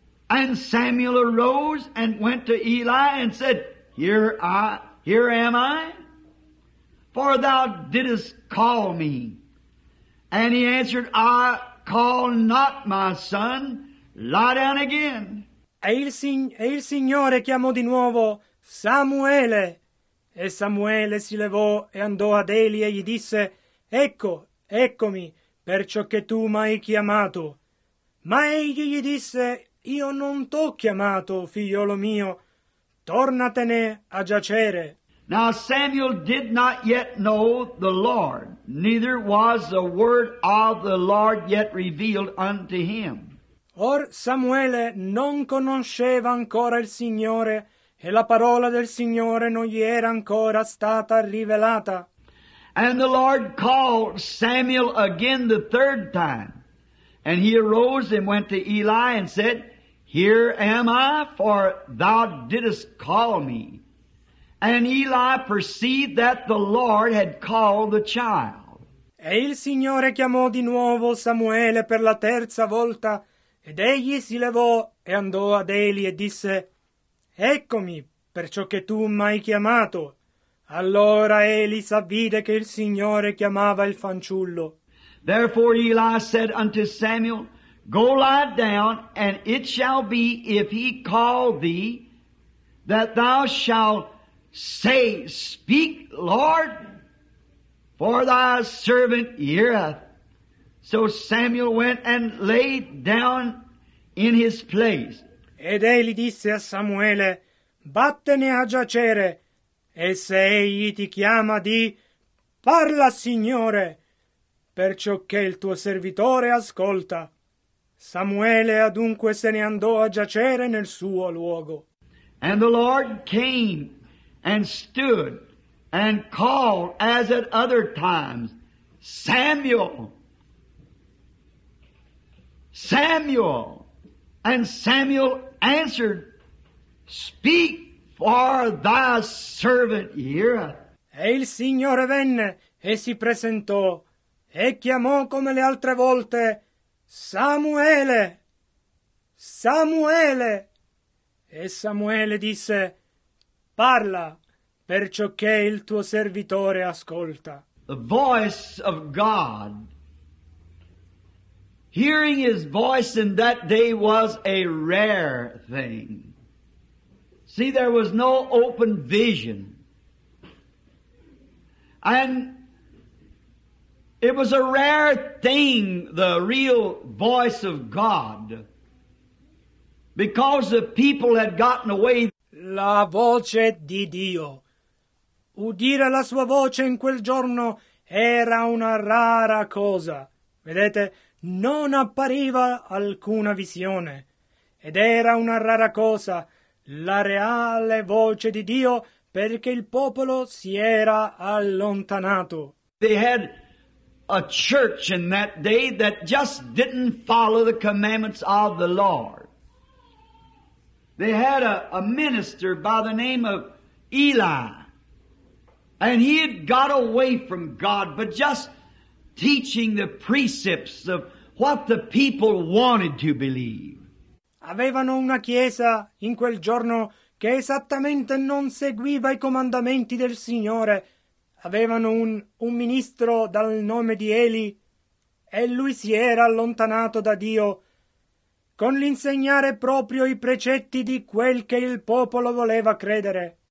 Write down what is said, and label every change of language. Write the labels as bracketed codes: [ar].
[en] And Samuel arose and went to Eli and said, Here am I, for thou didst call me. And he answered, I call not, my son. Lie down again. [it] E il Signore chiamò di nuovo Samuele. E Samuele si levò e andò ad Eli e gli disse, Ecco, eccomi. Perciò che tu m'hai chiamato. Ma egli gli disse, Io non t'ho chiamato, figliolo mio. Tornatene a giacere. [en] Now Samuel did not yet know the Lord, neither was the word of the Lord yet revealed unto him. [it] Or Samuele non conosceva ancora il Signore, e la parola del Signore non gli era ancora stata rivelata. [en] And the Lord called Samuel again the third time. And he arose and went to Eli and said, Here am I, for thou didst call me. And Eli perceived that the Lord had called the child. [it] E il Signore chiamò di nuovo Samuele per la terza volta, ed egli si levò e andò ad Eli e disse, Eccomi, per ciò che tu m'hai chiamato. Allora Elisa vide che il Signore chiamava il fanciullo. [en] Therefore Eli said unto Samuel, Go lie down, and it shall be, if he call thee, that thou shalt say, Speak, Lord, for thy servant heareth. So Samuel went and lay down in his place. [it] Ed egli disse a Samuele, Vattene a giacere, e se egli ti chiama, di parla, Signore, perciò che il tuo servitore ascolta. Samuele adunque se ne andò a giacere nel suo luogo. [en] And the Lord came and stood and called as at other times, Samuel, Samuel. And Samuel answered, Speak, for thy servant heareth. [it] E il Signore venne e si presentò e chiamò come le altre volte, Samuele, Samuele. E Samuele disse, Parla, perciò che il tuo servitore ascolta. [en] The voice of God, hearing his voice in that day was a rare thing. See, there was no open vision. And it was a rare thing, the real voice of God, because the people had gotten away. [it] La voce di Dio. Udire la sua voce in quel giorno era una rara cosa. Vedete, non appariva alcuna visione. Ed era una rara cosa, la reale voce di Dio, perché il popolo si era allontanato. [en] They had a church in that day that just didn't follow the commandments of the Lord. They had a minister by the name of Eli, and he had got away from God, but just teaching the precepts of what the people wanted to believe. [it] Avevano una chiesa in quel giorno che esattamente non seguiva i comandamenti del Signore. Avevano un ministro dal nome di Eli, e lui si era allontanato da Dio con l'insegnare proprio i precetti di quel che il popolo voleva credere.